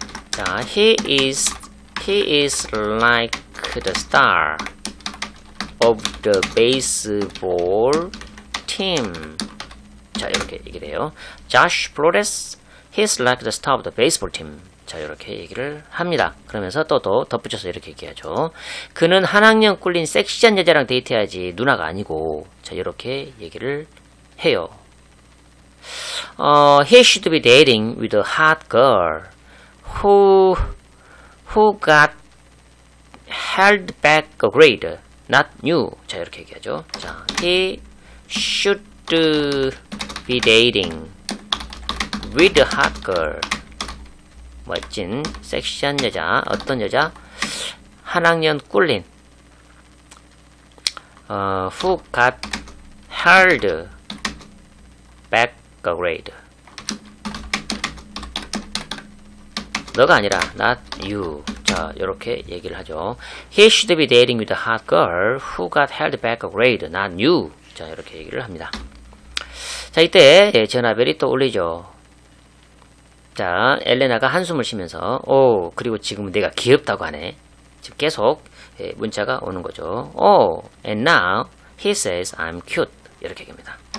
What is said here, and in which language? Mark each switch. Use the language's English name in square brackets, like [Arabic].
[English] 자, he is like the star of the baseball team. [Korean] 자, 이렇게 얘기를 해요. Josh Flores. [English] He's like the star of the baseball team. [Korean] 자, 이렇게 얘기를 합니다. 그러면서 또 덧붙여서 이렇게 얘기하죠. 그는 한 학년 꿀린 섹시한 여자랑 데이트해야지 누나가 아니고. 자, 이렇게 얘기를 해요. [English] He should be dating with a hot girl who got held back a grade, not you. [Korean] 자, 이렇게 얘기하죠. [English] 자, he should be dating with a hot girl. [Korean] 멋진 섹시한 여자. 어떤 여자? 한 학년 꿀린. [English] Who got held back a grade. [Korean] 너가 아니라 [English] not you. [Korean] 자, 이렇게 얘기를 하죠. [English] He should be dating with a hot girl who got held back a grade, not you. [Korean] 자, 이렇게 얘기를 합니다. 자, 이때 전화벨이 또 울리죠. 자, 엘레나가 한숨을 쉬면서 오, 그리고 지금 내가 귀엽다고 하네. 지금 계속 문자가 오는 거죠. [English] 오, and now he says I'm cute. [Korean] 이렇게 얘기합니다.